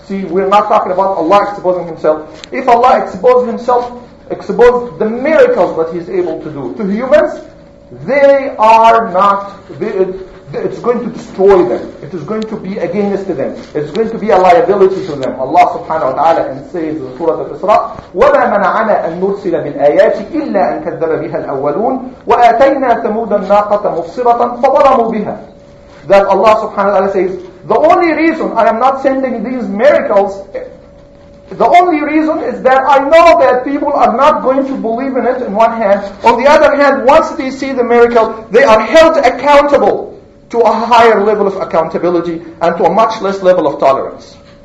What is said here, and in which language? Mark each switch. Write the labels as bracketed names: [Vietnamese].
[English] See, we're not talking about Allah exposing Himself. If Allah exposed Himself, exposed the miracles that He's able to do to humans, they are not, it's going to destroy them. It is going to be against them. It's going to be a liability to them. Allah subhanahu wa ta'ala says in Surah Al-Isra, [Arabic] وَمَا مَنَعَنَا أَن نُرْسِلَ بِالْآيَاتِ إِلَّا أَن كَذَّبَ بِهَا الْأَوَّلُونَ وَآتَيْنَا ثَمُودَ النَّاقَةَ مُفْصِرَةً فَظَلَمُوا بِهَا. [English] That Allah subhanahu wa ta'ala says, the only reason I am not sending these miracles, the only reason is that I know that people are not going to believe in it in one hand. On the other hand, once they see the miracle, they are held accountable to a higher level of accountability and to a much less level of tolerance.